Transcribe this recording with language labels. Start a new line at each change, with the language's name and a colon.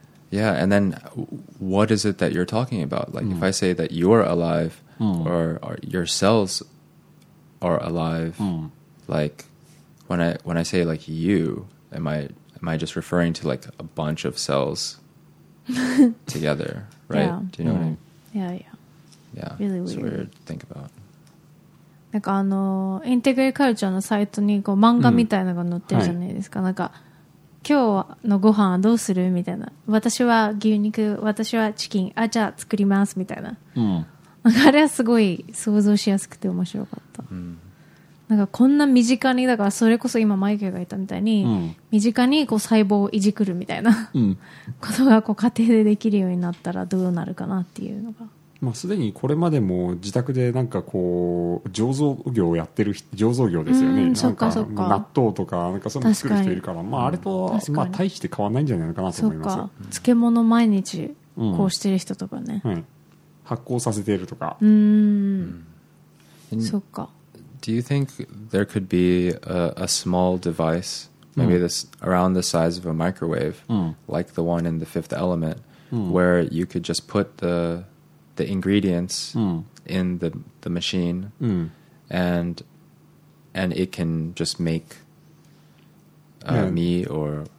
English: Yeah, and then what is it that you're talking about? Like, if I say that you're alive or your cells are alive, like when I say like you, am I just referring to like a bunch of cells together, right? Yeah. Do you know what I mean? Yeah. Really weird. It's weird to think about.
Japanese: なんかあの、インテグレカルチャーのサイトにこう漫画みたいなのが載ってるじゃないですか。なんか今日のご飯はどうするみたいな、私は牛肉、私はチキン、あ、じゃあ作りますみたいな、あれはすごい想像しやすくて面白かった。なんかこんな身近に、だからそれこそ今マイケルが言ったみたいに、身近にこう細胞をいじくるみたいな、ことがこう家庭でできるようになったらどうなるかなっていうのが、まあ、すでにこれまでも自宅でなんかこう醸造業をやってる醸造業ですよね。なんか納豆とかなんかそういうの作る人いるから、まああれとまあ大して変わらないんじゃないかなと思います。漬物毎日こうしてる人とかね、発酵させてるとか。そっか。
English: Do you think there could be a small device maybe this around the size of a microwave like the one in the Fifth Element where you could just put the ingredients in the machine and it can just make me or